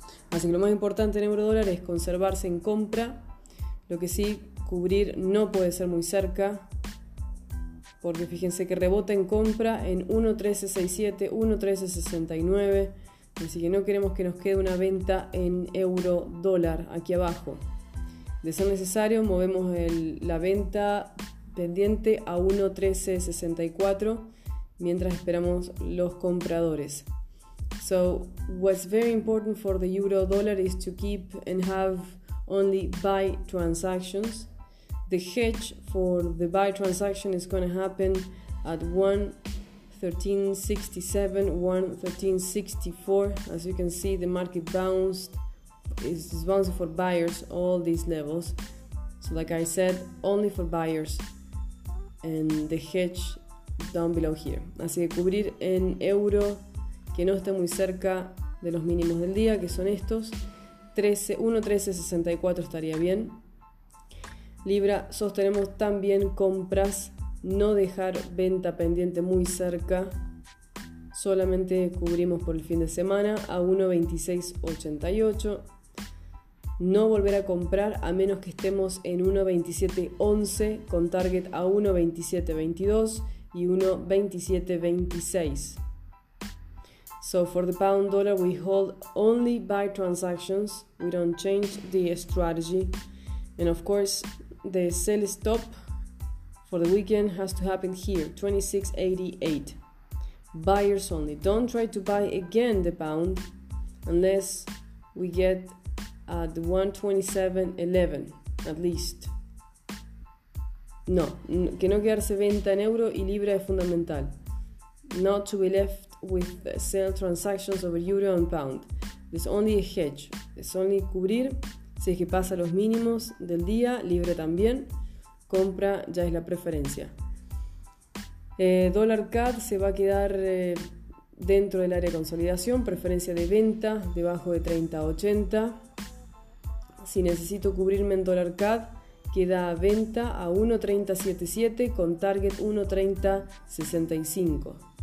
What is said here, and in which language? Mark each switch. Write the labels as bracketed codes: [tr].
[es] Así que lo más importante en eurodólar es conservarse en compra. Lo que sí, cubrir no puede ser muy cerca, porque fíjense que rebota en compra en 1.1367, 1.1369. Así que no queremos que nos quede una venta en euro dólar aquí abajo. De ser necesario, movemos la venta pendiente a 1.1364 mientras esperamos los compradores. [en] So, what's very important for the euro dólar is to keep and have only buy transactions. The hedge for the buy transaction is going to happen at 1.1367, 1.1364. As you can see, the market is bouncing for buyers all these levels. So like I said, only for buyers, and the hedge down below here. [es] Así que cubrir en euro que no esté muy cerca de los mínimos del día, que son estos, 1.1364 estaría bien. Libra, sostenemos también compras, no dejar venta pendiente muy cerca, solamente cubrimos por el fin de semana a 1.2688. No volver a comprar a menos que estemos en 1.2711 con target a 1.2722 y 1.2726. [en] So for the pound dollar, we hold only buy transactions. We don't change the strategy. And of course, the sell stop for the weekend has to happen here, 2688. Buyers only. Don't try to buy again the pound unless we get at 127.11, at least. [es] No, que no quedarse venta en euro y libra es fundamental. [en] Not to be left with sell transactions over euro and pound. It's only a hedge. It's only cubrir. [es] Si es que pasa los mínimos del día, libre también. Compra ya es la preferencia. Dólar CAD se va a quedar dentro del área de consolidación. Preferencia de venta debajo de 30.80. Si necesito cubrirme en dólar CAD, queda venta a 1.3077 con target 1.3065.